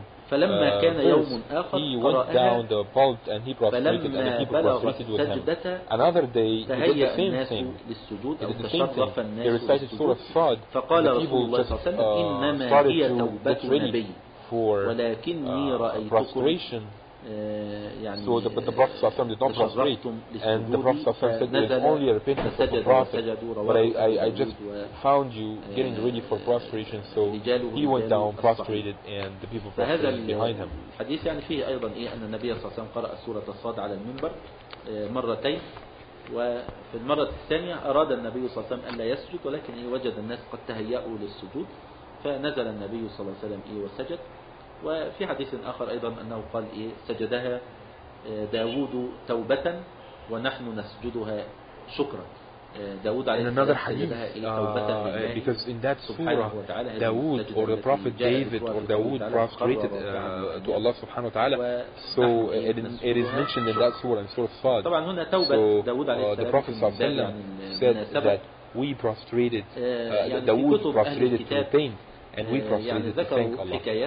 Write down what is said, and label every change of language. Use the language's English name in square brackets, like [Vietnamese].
[Arabic] فلما كان يوم آخر قرأها فلما بلغ السجدة تهيأ الناس للسجود أو تشرف الناس للسجود، فقال رسول الله صلى الله عليه وسلم إنما هي توبة نبي ولكني رأيتكم [English] يعني the Prophet [Arabic] صلى الله عليه وسلم [English] did not prostrate and the Prophet صلى الله عليه وسلم said only a repentance of the Prophet but I just found you getting ready for prostration so he went down prostrated and the people prostrated behind him. [Arabic] الحديث يعني فيه أيضا إيه أن النبي صلى الله عليه وسلم قرأ سورة الصاد على المنبر مرتين، وفي المرة الثانية أراد النبي صلى الله عليه وسلم أن لا يسجد ولكن وجد الناس قد تهيأوا للسجود فنزل النبي صلى الله عليه وسلم إيه وسجد. وفي حديث آخر أيضا أنه قال إيه سجدها داود توبة ونحن نسجدها شكرا، [English] in another hadith, because in that surah, Dawood or the Prophet David or Dawood prostrated to Allah subhanahu wa ta'ala. So it is mentioned in that surah, in Surah Sad. So the Prophet said that we prostrated, Dawood prostrated to pain, and we prostrated to thank Allah.